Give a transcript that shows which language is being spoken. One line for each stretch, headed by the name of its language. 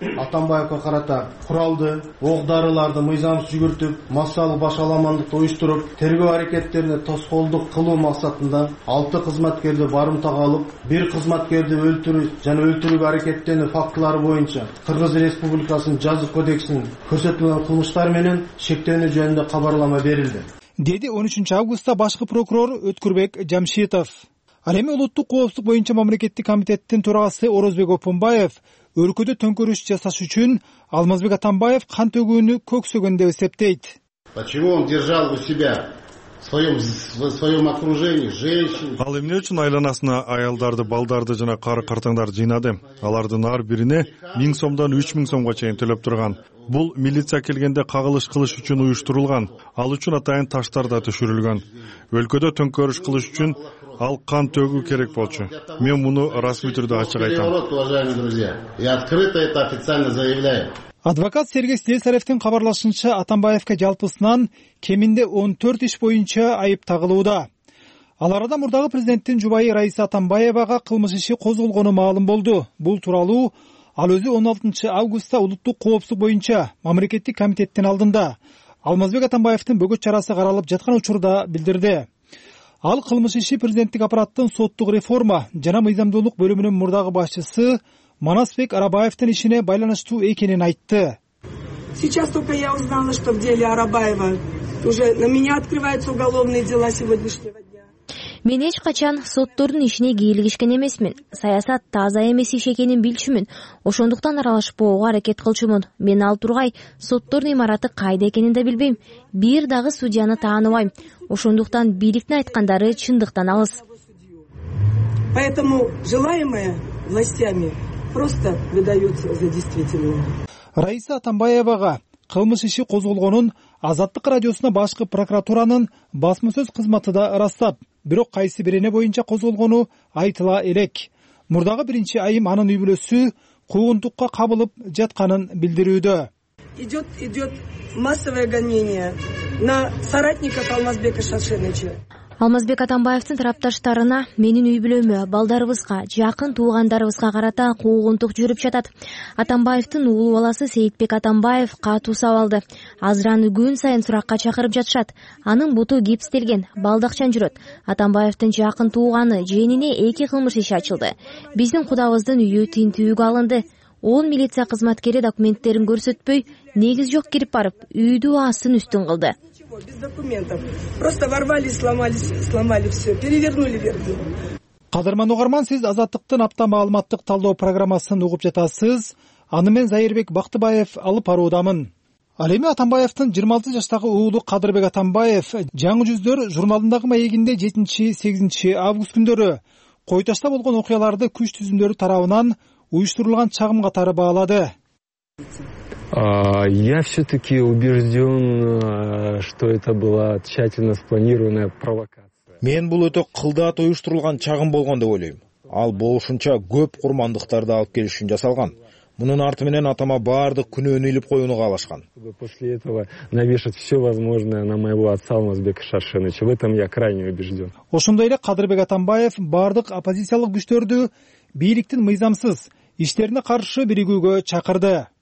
Kyrgyz: Атамбаевко карата куралды, ок дарыларды мыйзамсыз жүгүртүп, массалык башаламандыкты уюштуруп, тергөө аракеттерине тоскоолдук кылуу максатында 6 кызматкерди барымтага алып, 1 кызматкерди өлтүрүү жана өлтүрүүгө аракеттенүү фактылары боюнча Кыргыз Республикасынын Жазык кодексинин көрсөтүлгөн кылмыштар менен шектенүү жөнүндө кабарлама берилди. Деди 13 августта башкы прокурор Өткүрбек Жамшитов. Ал эми улуттук коопсуздук боюнча мамлекеттик комитеттин төрагасы Орозбек Опонбаев өлкөдө төңкөрүш жасаш үчүн Алмазбек Атамбаев кан төгүүнү көксөгөн деп эсептейт.
Russian: Почему он держал у себя в своем окружении женщин?
Kyrgyz: Ал эмне үчүн айланасына аялдарды, балдарды жана кары картаңдарды жыйнады? Алардын ар бирине 1000 сомдон 3000 сомго чейин төлөп турган. Бул милиция келгенде кагылыш кылыш үчүн уюштурулган. Ал үчүн атайын таштар да түшүрүлгөн. Өлкөдө төңкөрүш кылыш үчүн ал кан төгүү керек болчу. Мен муну расмий түрдө ачык айтам.
Russian: Уважаемые друзья, я открыто это официально заявляю.
Kyrgyz: Адвокат Сергей Слесаревтин кабарлашынча, Атамбаевке жалпысынан кеминде 14 иш боюнча айып тагылууда. Ал арада мурдагы президенттин жубайы Раиса Атамбаевага кылмыш иши козголгону маалым болду. Бул тууралуу ал өзү 16 августта улуттук коопсуздук боюнча мамлекеттик комитеттин алдында Алмазбек Атамбаевдин бөгөт чарасы каралып жаткан учурда билдирди. Ал кылмыш иши президенттик аппараттын соттук реформа жана мыйзамдуулук бөлүмүнүн мурдагы башчысы Манасбек Арабаевдин ишине байланыштуу экенин айтты.
Russian: Сейчас только я узнала, что в деле Арабаева уже на меня открываются уголовные дела сегодняшнего дня.
Kyrgyz: Мен эч качан соттордун ишине кийлигишкен эмесмин. Саясат таза эмес иш экенин билчүмүн. Ошондуктан аралашпоого аракет кылчумун. Мен ал тургай соттордун имараты кайда экенин да билбейм. Бир дагы судьяны тааныбайм. Ошондуктан бийликтин айткандары чындыктан алыс.
Russian: Поэтому желаемое властями просто выдаётся за действительное.
Kyrgyz: Раиса Атамбаевага кылмыш иши козголгонун Азаттык радиосуна башкы прокуратуранын басма сөз кызматы да ырастап, бирок кайсы бирине боюнча козголгону айтыла элек. мурдагы биринчи айым анын үй бүлөсү куугунтукка кабылып жатканын билдирүүдө.
Russian: Идет массовое гонение на соратников Алмазбека Шашеновича.
Kyrgyz: Алмазбек Атамбаевдин тарапташтарына, менин үй бүлөмө, балдарыбызга, жакын туугандарыбызга карата куугунтук жүрүп жатат. Атамбаевдин уулу баласы Сейитбек Атамбаев катуу сабалды. Азыраны күн сайын суракка чакырып жатышат. Анын буту гипстелген, балдакчан жүрөт. Атамбаевдин жакын тууганы жээнине 2 кылмыш иши ачылды. Биздин кудабыздын үйү тинтүүгө алынды. 10 милиция кызматкери документтерин көрсөтпөй, негиз жок кирип барып, үйдү асын үстүн кылды.
Russian: Без документов. Просто ворвались, сломали все, перевернули вверх.
Kyrgyz: Кадырман угарман, сиз азаттыктын апта маалыматтык талдоо программасын угуп жатасыз. Аны мен Зайырбек Бактыбаев алып баруудамын. Ал эми Атамбаевдин 26 жаштагы уулу Кадырбек Атамбаев жаңы жүздөр журналындагы маегинде 7-8 август күндөрү Койташта болгон окуяларды күч түзүмдөрү тарабынан уюштурулган чагым катары баалады.
Russian: Я все-таки убежден, что это была тщательно спланированная провокация.
Kyrgyz: Мен бул өтө кылдат уюштурулган чагым болгон деп ойлойм. Ал болушунча көп курмандыктарды алып келиш үчүн жасалган. Мунун арты менен атама баардык күнөөнү илип коюуну каалашкан.
Russian: После этого навешать все возможное на моего отца Алмазбека Шаршеновича. В этом я крайне убежден.
Kyrgyz: Ошондой эле Кадырбек Атамбаев баардык оппозициялык күчтөрдү бийликтин мыйзамсыз иштерине каршы биригүүгө чакырды.